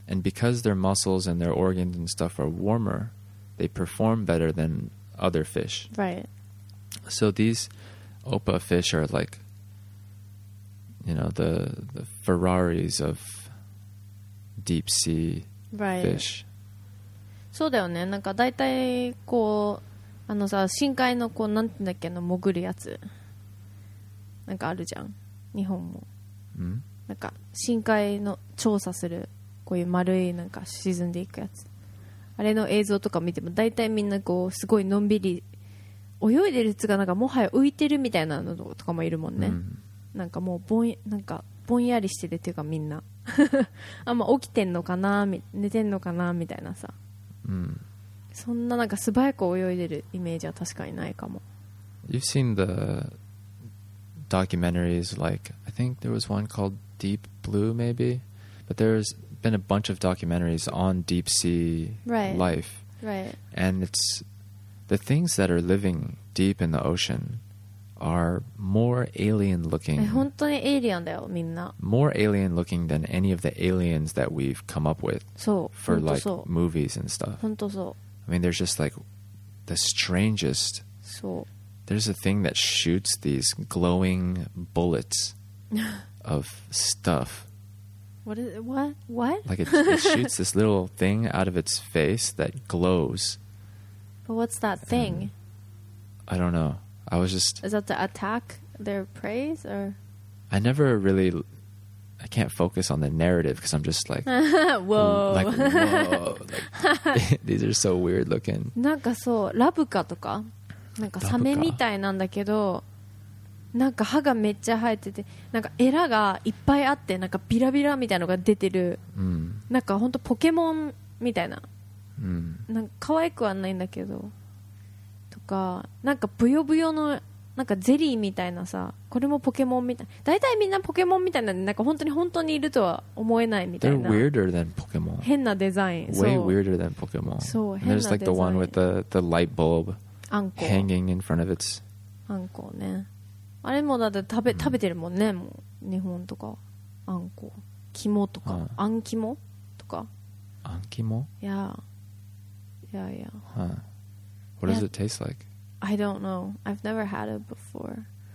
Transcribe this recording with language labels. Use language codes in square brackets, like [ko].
[en] And because their muscles and their organs and stuff are warmer, they perform better than other fish. Right. So these OPA fish are like, you know, the Ferraris of deep sea、 right. fish. [ja] そうだよね。なんかだいたいこう。あのさ深海のこうなんて言うんだっけの潜るやつなんかあるじゃん日本も、うん、なんか深海の調査するこういう丸いなんか沈んでいくやつあれの映像とか見ても大体みんなこうすごいのんびり泳いでるやつがなんかもはや浮いてるみたいなのとかもいるもんね、うん、なんかもうなんかぼんやりしててっていうかみんなあんま起きてんのかな寝てんのかなみたいなさ、うんそんななんか素早く泳いでるイメージは確かにないかも。 [en] You've seen the documentaries like I think there was one called Deep Blue maybe, but there's been a bunch of documentaries on deep sea right. life. Right. And it's the things that are living deep in the ocean are more alien looking. [ja] 本当にエイリアンだよみんな。 [en] More alien looking than any of the aliens that we've come up with. [ja] そう。 [en] For like movies and stuff. [ja] 本当そう。 [en] I mean, there's just like the strangest. So, there's a thing that shoots these glowing bullets of stuff. What is it? What? Like it shoots this little thing out of its face that glows. But what's that thing? I don't know. I was just. Is that to attack their prey or? I never really. I can't focus on the narrative because I'm just like, whoa. Like, whoa. These are so weird looking. [ja] なんかそう、ラブカとか、なんかサメみたいなんだけど、なんか歯がめっちゃ生えてて、なんかエラがいっぱいあって、なんかビラビラみたいなのが出てる、うん、なんか本当ポケモンみたいな、うん、なんか可愛くはないんだけど、とかなんかブヨブヨのなんかゼリーみたいなさ、これもポケモンみたい、だいたいみんなポケモンみたいな、なんか本当に本当にいるとは思えないみたいな。 [en] They're weirder than Pokemon. [ja] 変なデザイン。 [en] Way weirder than Pokemon. [ja] そう、変なデザイン。 [en] There's like the one with the light bulb hanging in front of its. [ja] あんこね。あれもだって食べてるもんね、もう日本とか。あんこ。肝とか。あん肝とか。あん肝？ [en] Yeah. What does it taste like? I don't know. I've never had it before.